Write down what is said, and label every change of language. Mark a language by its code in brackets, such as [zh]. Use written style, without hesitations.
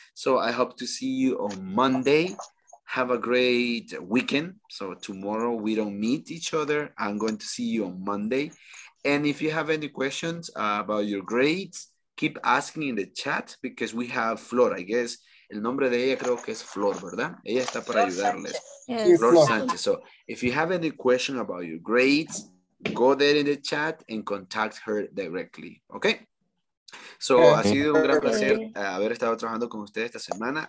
[en] So I hope to see you on Monday. Have a great weekend. So tomorrow we don't meet each other. I'm going to see you on Monday. And if you have any questions about your grades, keep asking in the chat because we have Flor, I guess. [es] El nombre de ella creo que es Flor, ¿verdad? Ella está para ayudarles. [en] Yes. Flor Sanchez. So if you have any question about your grades, go there in the chat and contact her directly, okay? [es] So, ha sido un gran placer haber estado trabajando con ustedes esta semana.